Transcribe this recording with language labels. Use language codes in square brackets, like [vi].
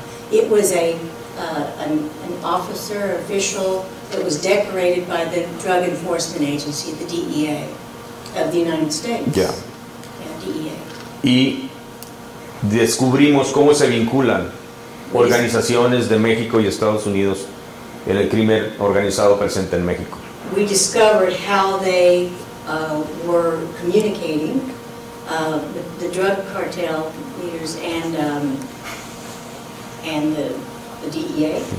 [en] It was an officer official that was decorated by the Drug Enforcement Agency, the DEA, of the United States. Yeah. Yeah, DEA. [es] Y descubrimos cómo se vinculan organizaciones de México y Estados Unidos en el crimen organizado presente en México. [en] We discovered how they were communicating the drug cartel leaders and the DEA.